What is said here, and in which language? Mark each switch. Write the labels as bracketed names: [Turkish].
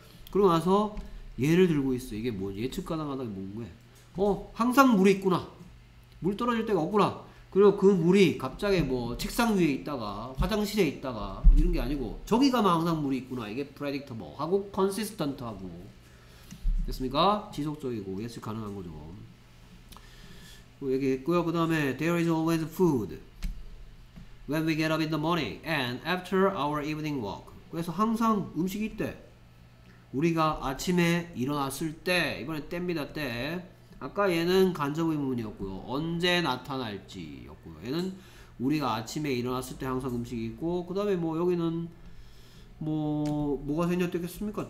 [Korean] 그러고 나서 예를 들고 있어. 이게 뭐 예측 가능하다 뭔 거야? 항상 물이 있구나. 물 떨어질 때가 없구나. 그리고 그 물이 갑자기 뭐 책상 위에 있다가 화장실에 있다가 이런 게 아니고 저기 가면 항상 물이 있구나. 이게 predictable 하고 consistent 하고 됐습니까? 지속적이고 예측 가능한 거죠. 얘기했고요. [English] 그 다음에 there is always food when we get up in the morning and after our evening walk. [Korean] 그래서 항상 음식이 있대. 우리가 아침에 일어났을 때 이번에 때입니다. 때 아까 얘는 간접 의문이었고요. 언제 나타날지였고요. 얘는 우리가 아침에 일어났을 때 항상 음식이 있고 그 다음에 뭐 여기는 뭐 뭐가 생략됐겠습니까?